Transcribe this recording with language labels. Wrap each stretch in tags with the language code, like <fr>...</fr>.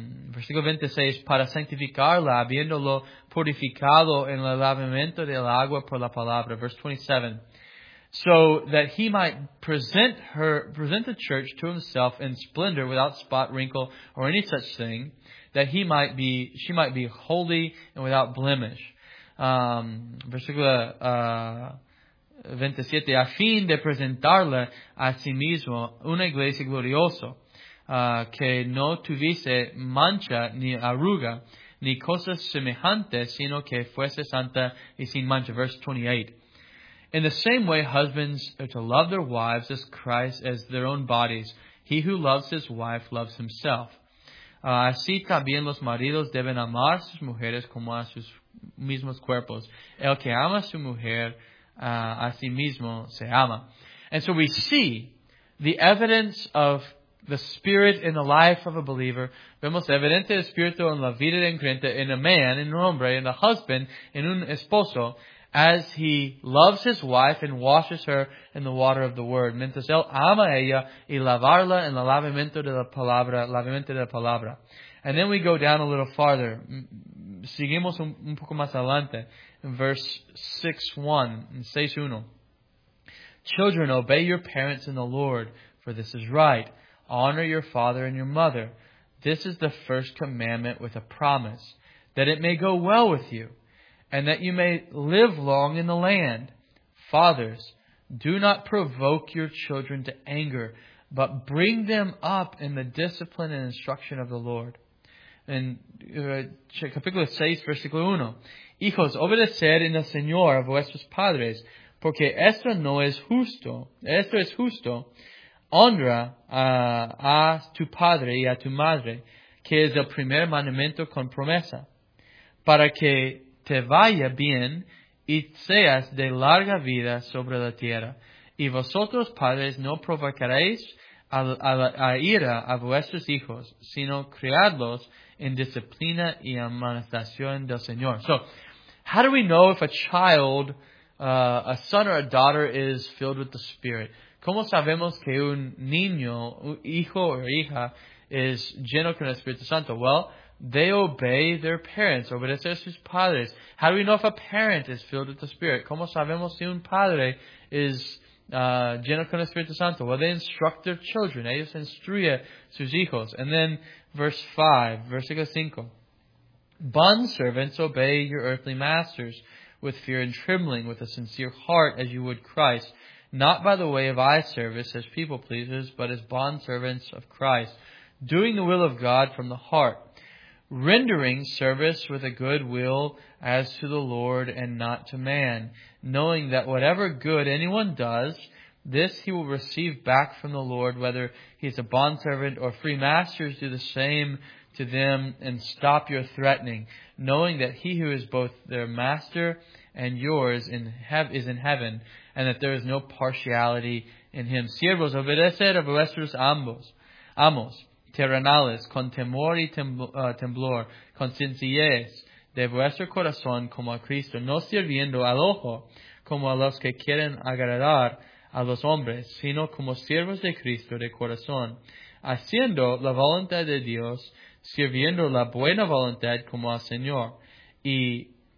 <es>Versículo 26, para santificarla, habiéndolo purificado en el lavamiento del agua por la palabra.</es> <en>Verse 27, so that he might present the church to himself in splendor without spot, wrinkle, or any such thing, that she might be holy and without blemish.</en> <es>Versículo 27, a fin de presentarla a sí mismo una iglesia gloriosa, que no tuviese mancha ni arruga ni cosas semejantes, sino que fuese santa y sin mancha.</es> <en>Verse 28. In the same way, husbands are to love their wives as Christ as their own bodies. He who loves his wife loves himself.</en> <es>Así también los maridos deben amar a sus mujeres como a sus mismos cuerpos. El que ama a su mujer a sí mismo se ama.</es> <en>And so we see the evidence of the Spirit in the life of a believer.</en> <es>Vemos evidente el Espíritu en la vida de un creyente,</es> <en>in a man, in</en> <es>un hombre,</es> <en>in a husband, in</en> <es>un esposo,</es> <en>as he loves his wife and washes her in the water of the Word.</en> <es>Mientras él ama a ella y lavarla en el lavamiento de la palabra, lavamiento de la palabra.</es> <en>And then we go down a little farther.</en> <es>Seguimos un poco más adelante.</es> <en>In verse 6:1. Children, obey your parents in the Lord, for this is right. Honor your father and your mother. This is the first commandment with a promise, that it may go well with you, and that you may live long in the land. Fathers, do not provoke your children to anger, but bring them up in the discipline and instruction of the Lord.</en> <es>En capítulo 6, versículo 1. Hijos, obedeced en el Señor a vuestros padres, porque esto no es justo. Esto es justo. Honra a tu padre y a tu madre, que es el primer mandamiento con promesa, para que te vaya bien y seas de larga vida sobre la tierra. Y vosotros, padres, no provocaréis a ira a vuestros hijos, sino criadlos en disciplina y amonestación del Señor.</es> <en>So, how do we know if a child, a son or a daughter, is filled with the Spirit?</en> <es>¿Cómo sabemos que un niño, hijo o hija, es lleno con el Espíritu Santo?</es> <en>Well, they obey their parents,</en> <es>obedecer a sus padres.</es> <en>How do we know if a parent is filled with the Spirit?</en> <es>¿Cómo sabemos si un padre es lleno con el Espíritu Santo?</es> <en>Well, they instruct their children.</en> <es>Ellos instruyen sus hijos.</es> <en>And then, versículo 5. Bond servants, obey your earthly masters with fear and trembling, with a sincere heart as you would Christ. Not by the way of eye service as people pleasers, but as bondservants of Christ, doing the will of God from the heart, rendering service with a good will as to the Lord and not to man, knowing that whatever good anyone does, this he will receive back from the Lord, whether he is a bondservant or free masters, do the same to them and stop your threatening, knowing that he who is both their master and yours in is in heaven, and that there is no partiality in him.</en> <es>Siervos, obedeced a vuestros amos, terrenales, con temor y temblor, con sencillez de vuestro corazón como a Cristo, no sirviendo al ojo como a los que quieren agradar a los hombres, sino como siervos de Cristo de corazón, haciendo la voluntad de Dios, sirviendo la buena voluntad como al Señor, y</es>